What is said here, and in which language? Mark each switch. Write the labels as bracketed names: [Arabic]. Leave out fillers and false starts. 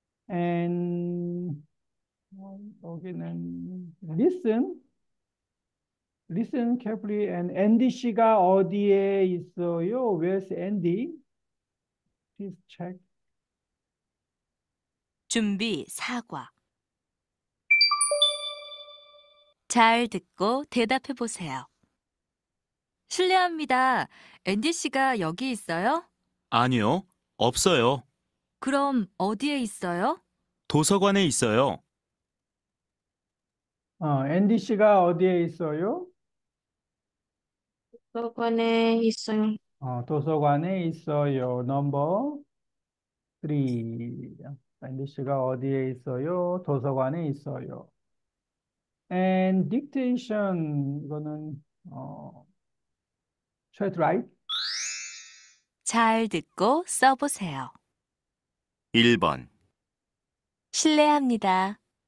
[English] And [Korean] 여기는 [English] listen carefully. [Korean] And Andy 씨가 어디에 있어요? [English] Where's Andy? Please check. [Korean] 준비, 사과. 잘 듣고 대답해 보세요. 실례합니다. 앤디 씨가 여기 있어요? 아니요, 없어요. 그럼 어디에 있어요? 도서관에 있어요. 앤디 씨가 어디에 있어요? 도서관에 있어요. 도서관에 있어요. 넘버 3. 앤디 씨가 어디에 있어요? 도서관에 있어요. [English] And dictation [Korean] 이거는 [English] try to write. [Korean] 잘 듣고 써보세요. 1번. 실례합니다.